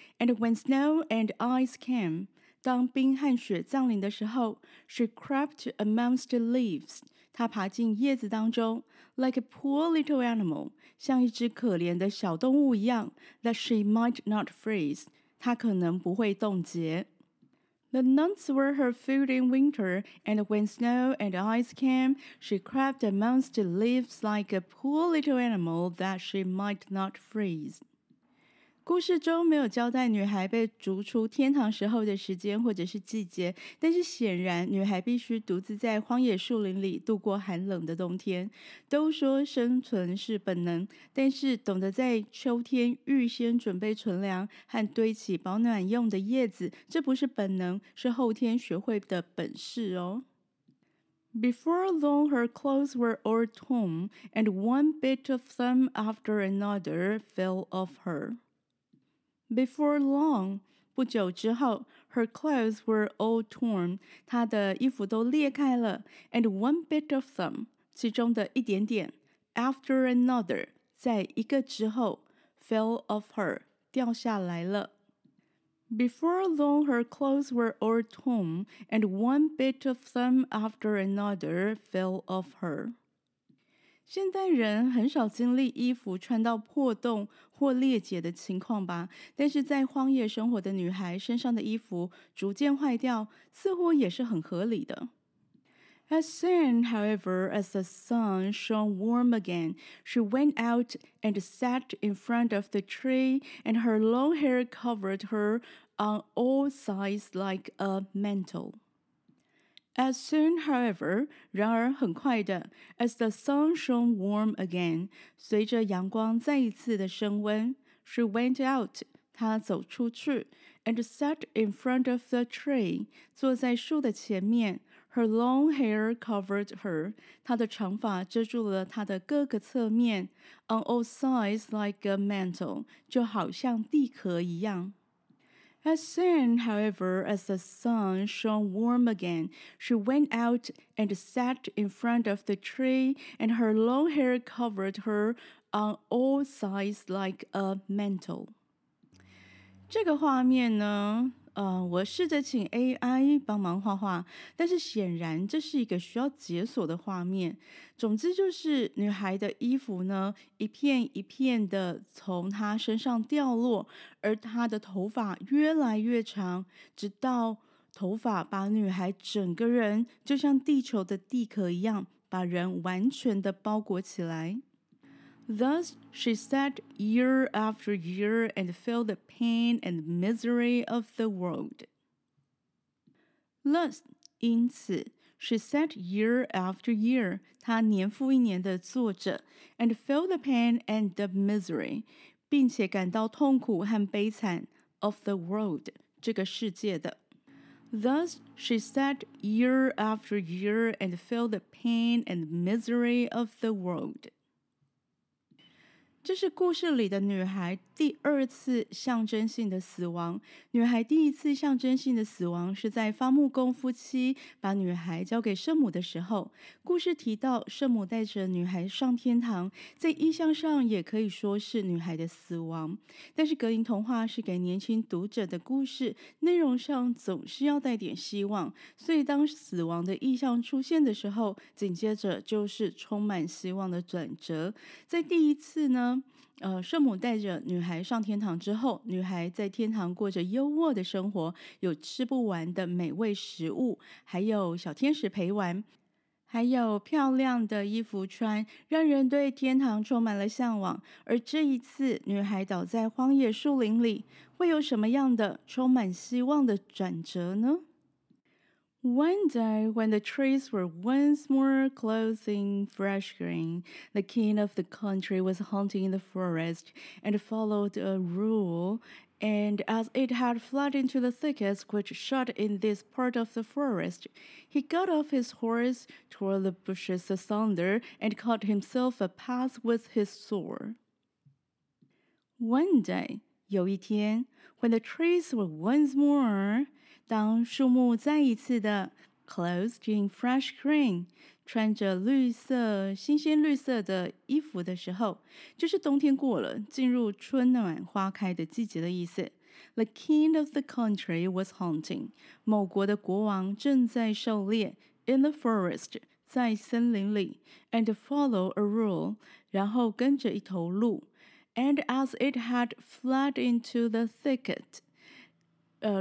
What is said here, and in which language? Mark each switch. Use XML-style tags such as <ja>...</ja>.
<en>And when snow and ice came,</en> <zh>当冰和雪降临的时候</zh> <en>she crept amongst the leaves.</en> <zh>她爬进叶子当中</zh> <en>like a poor little animal,</en> <zh>像一只可怜的小动物一样</zh> <en>that she might not freeze,</en> <zh>她可能不会冻结。</zh> <en>The nuts were her food in winter, and when snow and ice came, she crept amongst the leaves like a poor little animal that she might not freeze.</en> <zh>故事中没有交代女孩被逐出天堂时候的时间或者是季节，但是显然女孩必须独自在荒野树林里度过寒冷的冬天。都说生存是本能，但是懂得在秋天预先准备存粮和堆起保暖用的叶子，这不是本能，是后天学会的本事哦。</zh> <en>Before long, her clothes were all torn, and one bit of them after another fell off her. Before long,</en> <zh>不久之后</zh> <en>her clothes were all torn,</en> <zh>她的衣服都裂开了</zh> <en>and one bit of them,</en> <zh>其中的一点点</zh> <en>after another,</en> <zh>在一个之后</zh> <en>fell off her,</en> <zh>掉下来了。</zh> <en>Before long, her clothes were all torn, and one bit of them after another fell off her.</en> <zh>现代人很少经历衣服穿到破洞或裂解的情况吧，但是在荒野生活的女孩身上的衣服逐渐坏掉，似乎也是很合理的。</zh> <en>As soon, however, as the sun shone warm again, she went out and sat in front of the tree, and her long hair covered her on all sides like a mantle. As soon, however,</en> <zh>然而很快的</zh> <en>as the sun shone warm again,</en> <zh>随着阳光再一次的升温</zh> <en>she went out,</en> <zh>她走出去</zh> <en>and sat in front of the tree,</en> <zh>坐在树的前面</zh> <en>Her long hair covered her,</en> <zh>她的长发遮住了她的各个侧面</zh> <en>on all sides like a mantle,</en> <zh>就好像地壳一样。</zh> <en>As soon, however, as the sun shone warm again, she went out and sat in front of the tree, and her long hair covered her on all sides like a mantle.</en> <zh>这个画面呢我试着请 AI 帮忙画画，但是显然这是一个需要解锁的画面。总之就是女孩的衣服呢，一片一片的从她身上掉落，而她的头发越来越长，直到头发把女孩整个人就像地球的地壳一样，把人完全的包裹起来。</zh> <en>Thus, she sat year after year and felt the pain and misery of the world. Thus,</en> <zh>因此</zh> <en>she sat year after year,</en> <zh>她年复一年的坐着</zh> <en>and felt the pain and the misery,</en> <zh>并且感到痛苦和悲惨</zh> <en>of the world,</en> <zh>这个世界的。</zh> <en>Thus, she sat year after year and felt the pain and misery of the world.</en> <zh>这是故事里的女孩第二次象征性的死亡。女孩第一次象征性的死亡是在伐木工夫妻把女孩交给圣母的时候。故事提到圣母带着女孩上天堂，在意象上也可以说是女孩的死亡。但是格林童话是给年轻读者的故事，内容上总是要带点希望，所以当死亡的意象出现的时候，紧接着就是充满希望的转折。在第一次呢圣母带着女孩上天堂之后，女孩在天堂过着优渥的生活，有吃不完的美味食物，还有小天使陪玩，还有漂亮的衣服穿，让人对天堂充满了向往。而这一次，女孩倒在荒野树林里，会有什么样的充满希望的转折呢？</zh> <en>One day, when the trees were once more clothing fresh green, the king of the country was hunting in the forest and followed a rule, and as it had fled into the thickest which shut in this part of the forest, he got off his horse, tore the bushes asunder, and cut himself a path with his sword. One day,</en> <zh>有一天,</zh> <en>when the trees were once more...</en> <zh>当树木再一次的</zh> <en>clothed in fresh green,</en> <zh>穿着绿色、新鲜绿色的衣服的时候，就是冬天过了，进入春暖花开的季节的意思。</zh> <en>The king of the country was hunting,</en> <zh>某国的国王正在狩猎</zh> <en>in the forest,</en> <zh>在森林里</zh> <en>and follow a rule,</en> <zh>然后跟着一头鹿</zh> <en>and as it had fled into the thicket,</en>